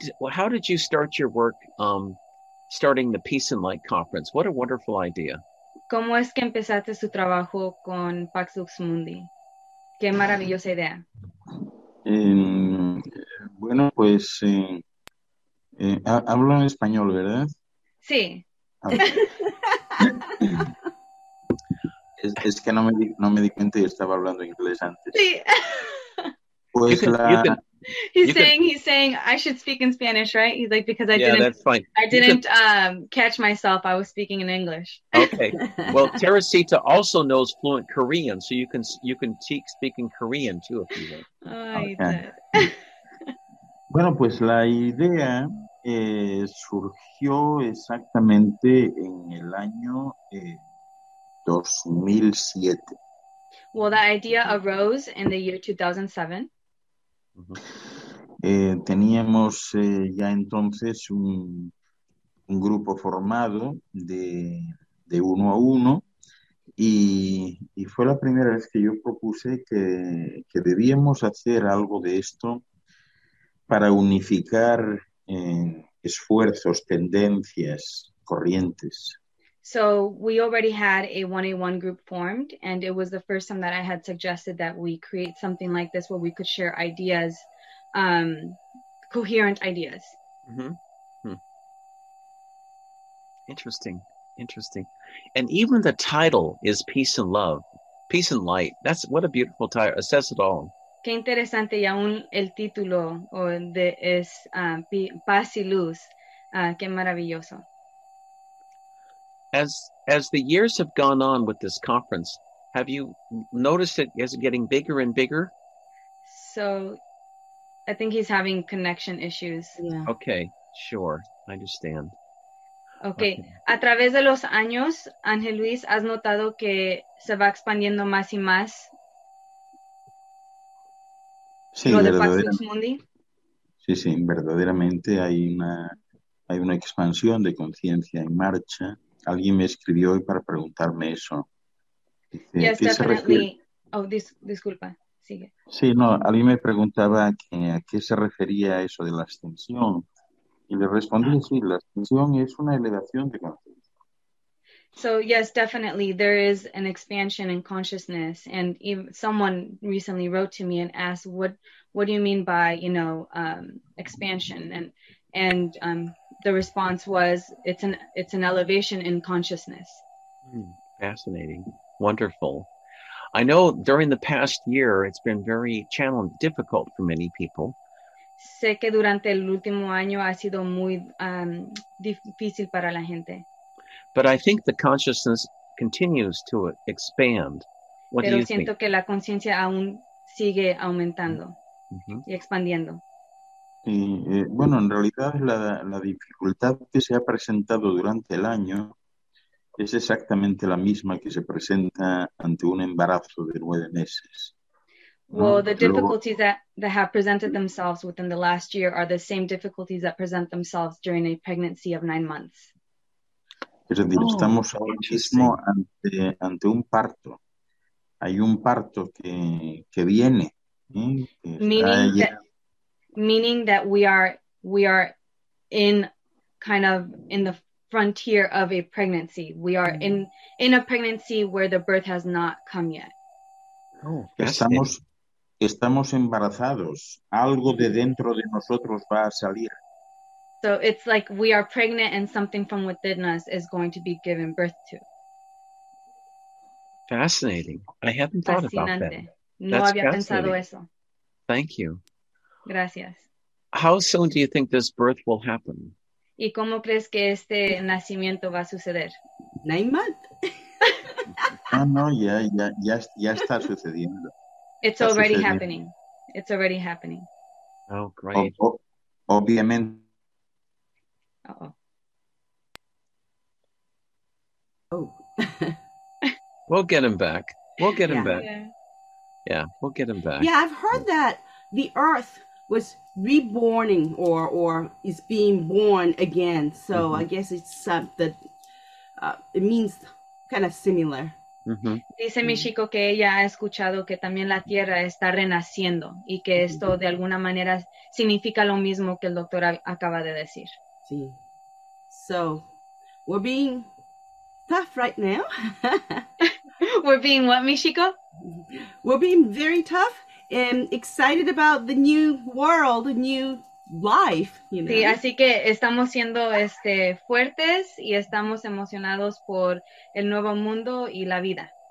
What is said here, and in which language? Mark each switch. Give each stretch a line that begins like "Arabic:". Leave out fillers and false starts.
English: How did you start your work starting the Peace and Light Conference? What a wonderful idea.
Spanish: ¿Cómo es que empezaste su trabajo con Pax Lux Mundi? Qué maravillosa idea. Hablo en español, ¿verdad? Sí. es que no me di cuenta y estaba hablando inglés antes. Sí. Pues la...
English: He's saying I should speak in Spanish, right? He's like, because I didn't catch myself. I was speaking in English. Okay. Well, Teresita also knows fluent Korean, so you can speak in Korean too if you want. Okay.
Spanish: Bueno, pues la idea surgió exactamente en el año 2007.
English: Well, the idea arose in the year 2007.
Spanish: Teníamos ya entonces un grupo formado de de uno a uno. Y fue la primera vez que yo propuse que debíamos hacer algo de esto para unificar esfuerzos, tendencias, corrientes.
English: So we already had a one-on-one group formed, and it was the first time that I had suggested that we create something like this where we could share ideas, coherent ideas. Interesting. And even the title is Peace and Love, Peace and Light. That's what a beautiful title. It says it all.
Spanish: Qué interesante, y aún el título es Paz y Luz. Qué maravilloso.
English: As the years have gone on with this conference, have you noticed it as getting bigger and bigger? So, I think he's having connection issues. Yeah. Okay, sure. I understand. Okay.
Spanish: A través de los años, Ángel Luis, ¿has notado que se va expandiendo más y más? Sí, verdaderamente hay una expansión de conciencia en marcha. Alguien me escribió hoy para preguntarme eso. Disculpa, sigue. Sí, no, alguien me preguntaba a qué se refería eso de la ascensión. Y le respondí, sí, la ascensión es una elevación de conciencia.
English: So, yes, definitely, there is an expansion in consciousness. And someone recently wrote to me and asked, what do you mean by, you know, expansion? And the response was, it's an elevation in consciousness. Fascinating. Wonderful. I know during the past year, it's been very challenging, difficult for many people.
Spanish: Sé que durante el último año ha sido muy difícil para la gente.
English: But I think the consciousness continues to expand. What
Spanish: Pero
English: do you
Spanish: siento
English: think?
Spanish: Que la conciencia aún sigue aumentando mm-hmm. y expandiendo. Y, bueno, en realidad la dificultad que se ha presentado durante el año es exactamente la misma que se presenta ante un embarazo de 9 meses.
English: Well, the difficulties that have presented themselves within the last year are the same difficulties that present themselves during a pregnancy of 9 months.
Spanish: Es decir, estamos ahora mismo ante un parto. Hay un parto que viene.
English: Meaning that we are in kind of in the frontier of a pregnancy. We are in a pregnancy where the birth has not come yet.
Spanish: Oh, estamos embarazados. Algo de dentro de nosotros va a salir.
English: So it's like we are pregnant and something from within us is going to be given birth to. Fascinating. I hadn't thought
Spanish: Fascinante.
English: About that.
Spanish: No
English: That's
Spanish: había pensado eso.
English: Thank you.
Spanish: Gracias.
English: How soon do you think this birth will happen?
Spanish: ¿Y cómo crees que este nacimiento va a suceder?
English: 9 months.
Spanish: ya está sucediendo.
English: It's already happening. Oh, great.
Spanish: Obviamente.
English: Oh. We'll get him back. We'll get him back. Yeah, we'll get him back. Yeah, I've heard that the earth was reborning or is being born again. So mm-hmm. I guess it's that it means kind of similar. Mm-hmm.
Spanish: Dice mi chico que ella ha escuchado que también la tierra está renaciendo y que esto de alguna manera significa lo mismo que el doctor acaba de decir.
English: Sí. So, we're being tough right now. We're being what,
Spanish: mi chico?
English: We're being very tough and excited about the new world, the new life, you know.
Spanish: Sí, así que estamos siendo fuertes y estamos emocionados por el nuevo mundo y la vida.